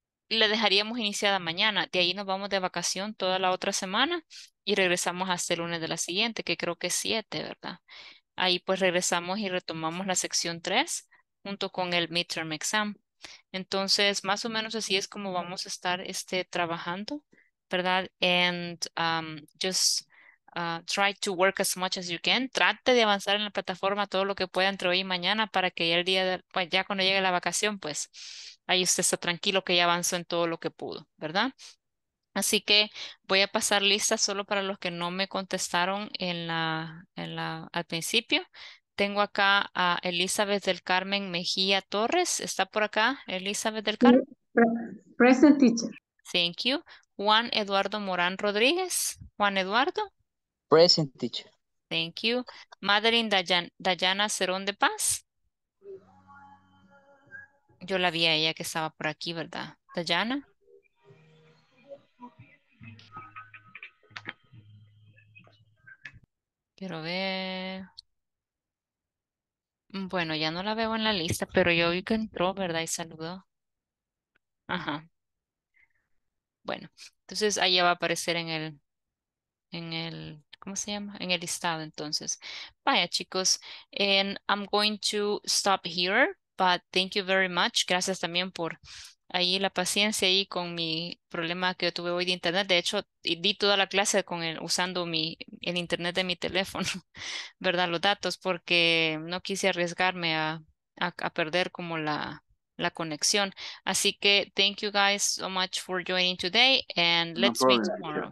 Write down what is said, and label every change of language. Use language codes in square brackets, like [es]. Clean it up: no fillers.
[es] Le dejaríamos iniciada mañana, de ahí nos vamos de vacación toda la otra semana y regresamos hasta el lunes de la siguiente, que creo que es 7, ¿verdad? Ahí pues regresamos y retomamos la sección 3 junto con el midterm exam. Entonces, más o menos así es como vamos a estar trabajando, ¿verdad? [en] And try to work as much as you can. [es] Trate de avanzar en la plataforma todo lo que pueda entre hoy y mañana para que ya el día de, pues ya cuando llegue la vacación, pues ahí usted está tranquilo que ya avanzó en todo lo que pudo, ¿verdad? Así que voy a pasar lista solo para los que no me contestaron al principio. Tengo acá a Elizabeth del Carmen Mejía Torres. ¿Está por acá, Elizabeth del Carmen? [en] Present, teacher. Thank you. Juan Eduardo Morán Rodríguez. Juan Eduardo. Present, teacher. Thank you. Madeline Dayana Cerón de Paz. [es] Yo la vi a ella que estaba por aquí, ¿verdad? Dayana. Quiero ver. Bueno, ya no la veo en la lista, pero yo vi que entró, ¿verdad? Y saludó. Ajá. Bueno, entonces ahí va a aparecer en el ¿cómo se llama? En el listado, entonces. Vaya, chicos. [en] And I'm going to stop here, but thank you very much. [es] Gracias también por ahí la paciencia y con mi problema que yo tuve hoy de internet. De hecho, di toda la clase usando el internet de mi teléfono, ¿verdad? Los datos, porque no quise arriesgarme a perder como la conexión. Así que [en] thank you guys so much for joining today and let's meet tomorrow.